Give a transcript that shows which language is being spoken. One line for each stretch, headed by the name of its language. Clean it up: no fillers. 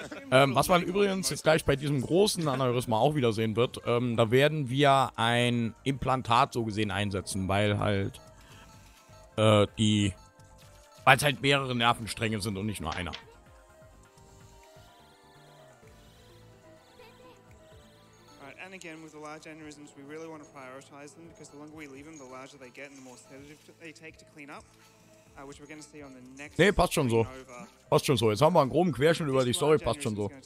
German: Was man übrigens jetzt gleich bei diesem großen Aneurysma auch wieder sehen wird, da werden wir ein Implantat so gesehen einsetzen, weil es halt mehrere Nervenstränge sind und nicht nur einer.
English: Again with the large aneurysms we really want to prioritize them because the longer we leave them the larger they get and the more sedative they take to clean up which we're going to see on the next.
German: Nee, passt schon so. Passt schon so. Jetzt haben wir einen groben Querschnitt über die Story, passt schon so.